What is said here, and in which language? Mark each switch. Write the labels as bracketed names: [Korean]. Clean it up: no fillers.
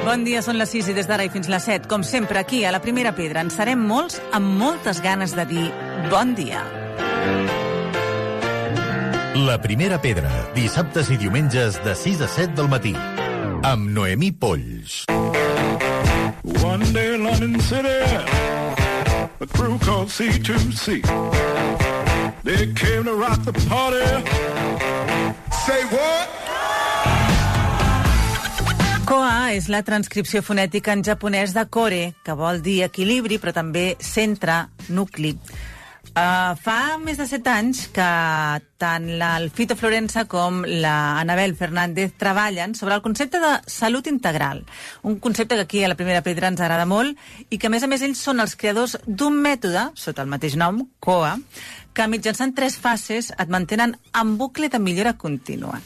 [Catalan] dia, són les 6 i des d'ara i fins les 7, com sempre, aquí, a la Primera Pedra, en serem molts amb moltes ganes de dir bon dia. La Primera Pedra, dissabtes i diumenges de 6 a 7 del matí, amb Noemí Polls. [English] One day in London City, a crew called C2C. They came to rock the party. Say what? [Catalan] Koa és la transcripció fonètica en japonès de kore, que vol dir equilibri, però també centre, nucli. Fa més de 7 anys que tant el Fito Florenza com l'Anabel Fernández treballen sobre el concepte de salut integral, un concepte que aquí a la Primera Pedra ens agrada molt i que, a més, ells són els creadors d'un mètode, sota el mateix nom, Koa, que mitjançant tres fases et mantenen en bucle de millora contínua.